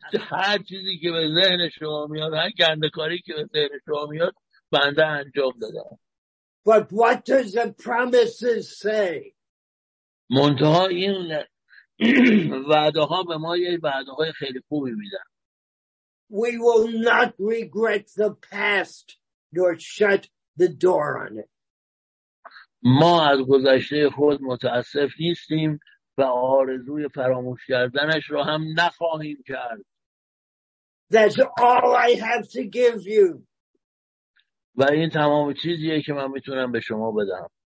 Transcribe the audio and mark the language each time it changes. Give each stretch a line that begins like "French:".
Persian: هر چیزی که به ذهن شما میاد، هر گندکاری که به ذهن شما میاد بنده انجام دادم.
English: But what does the promises say?
Persian: منتها این وعده ها به ما یه وعده های خیلی خوبی میدن.
English: We will not regret the past nor shut the door on it.
Persian: ما از گذشته خود متاسف نیستیم و آرزوی فراموش کردنش رو هم نخواهیم کرد.
English: That's all I have to give you.
Persian: و این تمام چیزیه که من میتونم به شما بدم.